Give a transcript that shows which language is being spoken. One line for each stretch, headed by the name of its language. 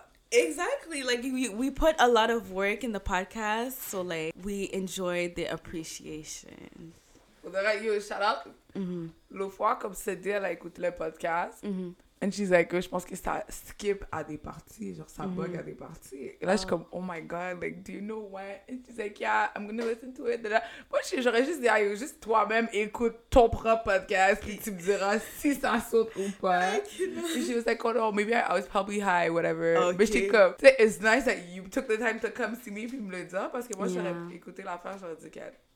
English: Exactly. Like, we put a lot of work in the podcast, so, like, we enjoy the appreciation. Yo, shout out. Mm-hmm.
French: L'autre fois, comme Cédé, elle a écouté le podcast. Mm-hmm.
English: And she's like,
French: je pense que ça skip à des parties. Genre, ça bug à des parties. Et là, je suis comme,
English: oh my god, like, do you know when? And she's like, yeah, I'm gonna listen to it.
French: Là, moi, j'aurais juste dit, yo, juste toi-même, écoute ton propre podcast. Puis tu me diras si ça saute ou pas. Et
English: she was like, oh no, maybe I was probably high, whatever. Okay.
French: Mais j'étais comme,
English: it's nice that you took the time to come see me.
French: Puis me le dire. Parce que moi, j'aurais écouté l'affaire, j'aurais dit, qu'elle.